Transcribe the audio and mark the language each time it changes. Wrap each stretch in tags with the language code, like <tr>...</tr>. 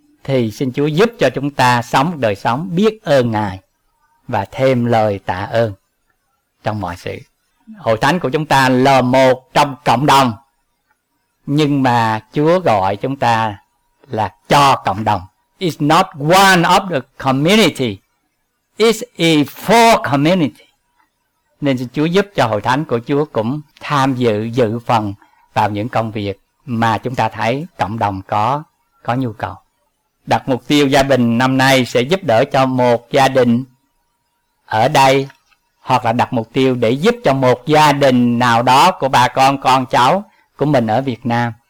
<vi>Thì xin Chúa giúp cho chúng ta sống đời sống biết ơn Ngài và thêm lời tạ ơn trong mọi sự. Hội thánh của chúng ta là một trong cộng đồng, nhưng mà Chúa gọi chúng ta là cho cộng đồng.</vi> <en>is not one of the community. It's a full community.</en> <vi>Nên Chúa giúp cho hội thánh của Chúa cũng tham dự dự phần vào những công việc mà chúng ta thấy cộng đồng có nhu cầu. Đặt mục tiêu gia đình năm nay sẽ giúp đỡ cho một gia đình ở đây, hoặc là đặt mục tiêu để giúp cho một gia đình nào đó của bà con cháu của mình ở Việt Nam.</vi>